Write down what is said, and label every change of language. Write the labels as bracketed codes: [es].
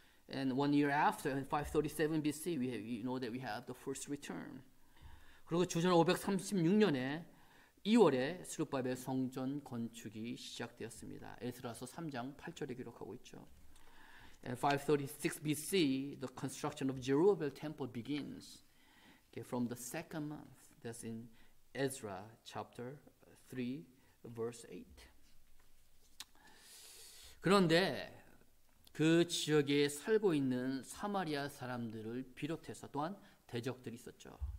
[en] And one year after, in 537 BC, we have the first return. [ko] 그리고 주전 536년에 2월에 스룹바벨 성전 건축이 시작되었습니다. 에스라서 3장 8절에 기록하고 있죠. [en] And 536 BC, the construction of Zerubbabel temple begins. Okay, from the second month, that's in Ezra chapter 3, verse 8. [ko] 그런데 그 지역에 살고 있는 사마리아 사람들을 비롯해서 또한 대적들이 있었죠.